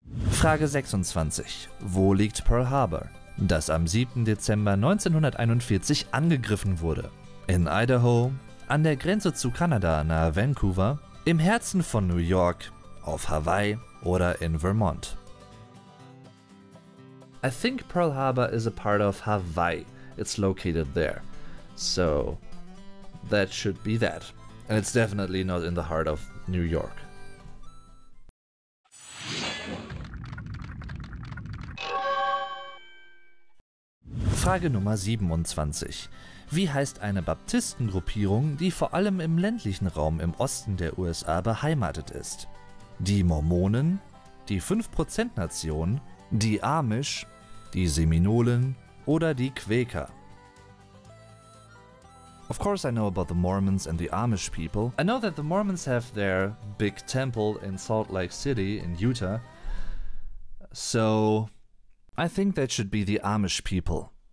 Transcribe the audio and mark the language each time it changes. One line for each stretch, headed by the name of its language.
German: Frage 26. Wo liegt Pearl Harbor? Das am 7. Dezember 1941 angegriffen wurde. In Idaho, an der Grenze zu Kanada nahe Vancouver, im Herzen von New York, auf Hawaii oder in Vermont.
English: I think Pearl Harbor is a part of Hawaii. It's located there. So, that should be that. And it's definitely not in the heart of New York.
German: Frage Nummer 27. Wie heißt eine Baptistengruppierung, die vor allem im ländlichen Raum im Osten der USA beheimatet ist? Die Mormonen, die 5%-Nation, die Amish, die Seminolen oder die Quäker?
English: Of course I know about the Mormons and the Amish people. I know that the Mormons have their big temple in Salt Lake City in Utah. So, I think that should be the Amish people.